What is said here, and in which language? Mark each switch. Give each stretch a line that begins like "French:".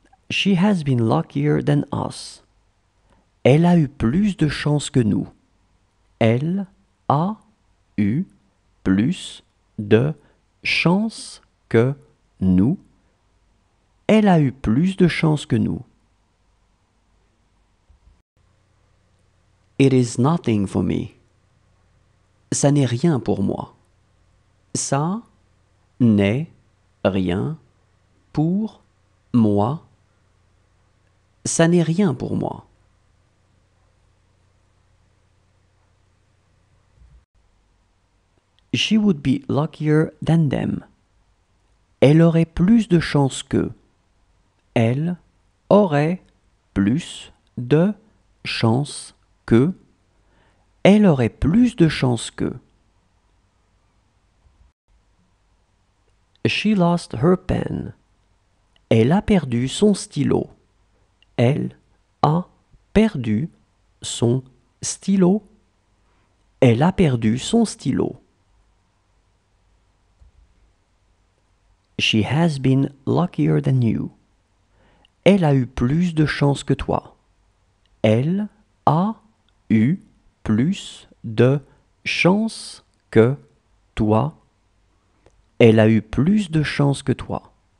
English: She has been luckier than us.
French: Elle a eu plus de chance que nous. Elle a eu plus de chance que nous. Elle a eu plus de chance que nous.
English: It is nothing for me.
French: Ça n'est rien pour moi. Ça n'est rien pour moi. Ça n'est rien pour moi.
English: She would be luckier than them.
French: Elle aurait plus de chance qu'eux. Elle aurait plus de chance qu'eux. Elle aurait plus de chance qu'eux.
English: She lost her pen.
French: Elle a perdu son stylo. Elle a perdu son stylo. Elle a perdu son stylo.
English: She has been luckier than you.
French: Elle a eu plus de chance que toi. Elle a eu plus de chance que toi. Elle a eu plus de chance que toi.